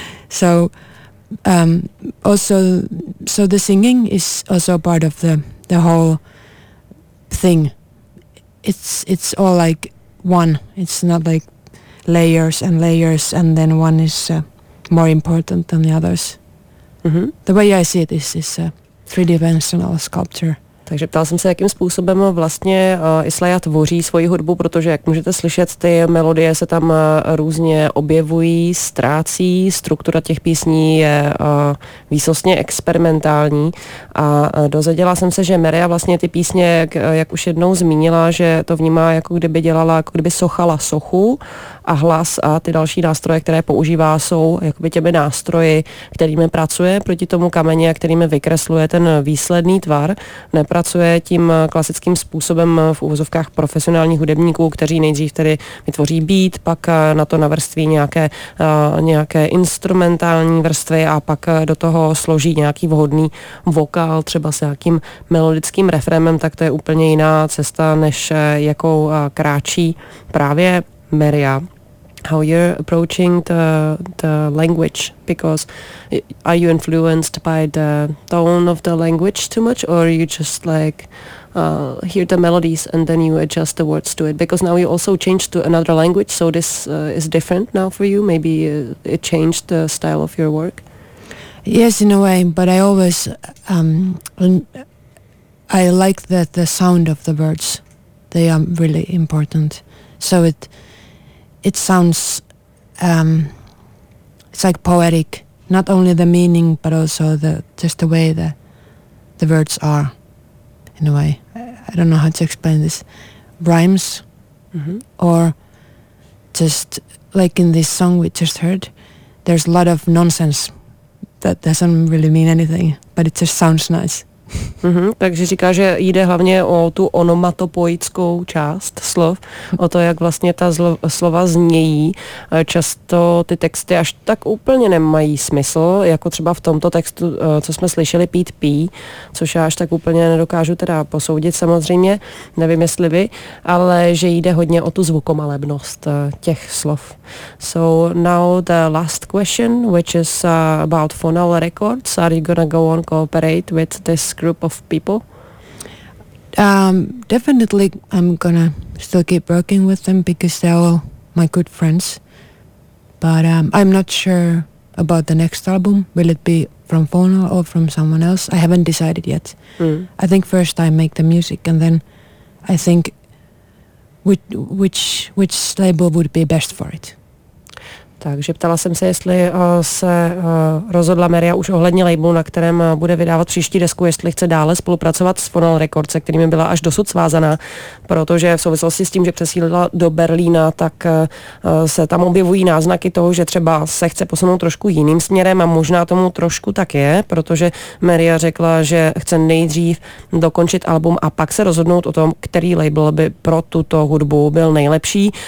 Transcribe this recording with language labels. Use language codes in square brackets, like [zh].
[en] So also the singing is also part of the whole thing. It's all like one. It's not like layers and layers, and then one is more important than the others. The way I see it is a three-dimensional sculpture. [cs] Takže ptal jsem se, jakým způsobem vlastně Islaya tvoří svoji hudbu, protože jak můžete slyšet, ty melodie se tam různě objevují, ztrácí, struktura těch písní je výsostně experimentální a dozvěděla jsem se, že Maria vlastně ty písně, jak už jednou zmínila, že to vnímá, jako kdyby dělala, jako kdyby sochala sochu a hlas a ty další nástroje, které používá, jsou jakoby těmi nástroji, kterými pracuje proti tomu kameni a kterými vykresluje ten výsledný tvar. Nepracuje tím klasickým způsobem v uvozovkách profesionálních hudebníků, kteří nejdřív tedy vytvoří beat, pak na to navrství nějaké instrumentální vrstvy a pak do toho složí nějaký vhodný vokál, třeba s nějakým melodickým refrémem, tak to je úplně jiná cesta, než jakou kráčí právě Maria. [en] How you're approaching the language, because are you influenced by the tone of the language too much, or you just like hear the melodies and then you adjust the words to it? Because now you also changed to another language, so this is different now for you. Maybe it changed the style of your work. Yes, in a way, but I always I like that the sound of the words, they are really important. So it sounds it's like poetic, not only the meaning but also just the way the words are, in a way. I don't know how to explain this. Rhymes, mm-hmm. or just like in this song we just heard, there's a lot of nonsense that doesn't really mean anything, but it just sounds nice. [cs] Mm-hmm, takže říká, že jde hlavně o tu onomatopoickou část slov, o to, jak vlastně ta slova znějí. Často ty texty až tak úplně nemají smysl, jako třeba v tomto textu, co jsme slyšeli, Pete P, což já až tak úplně nedokážu teda posoudit samozřejmě, nevím, jestli vy, ale že jde hodně o tu zvukomalebnost těch slov. [en] So now the last question, which is about Phonal Records. Are you gonna go on cooperate with this group of people? Definitely I'm gonna still keep working with them because they're all my good friends, but I'm not sure about the next album. Will it be from Phono or from someone else? I haven't decided yet. I think first I make the music and then I think which label would be best for it. [cs] Takže ptala jsem se, jestli se rozhodla Maria už ohledně labelu, na kterém bude vydávat příští desku, jestli chce dále spolupracovat s Phonal Records, se kterými byla až dosud svázaná, protože v souvislosti s tím, že přesídlila do Berlína, tak se tam objevují náznaky toho, že třeba se chce posunout trošku jiným směrem a možná tomu trošku tak je, protože Maria řekla, že chce nejdřív dokončit album a pak se rozhodnout o tom, který label by pro tuto hudbu byl nejlepší.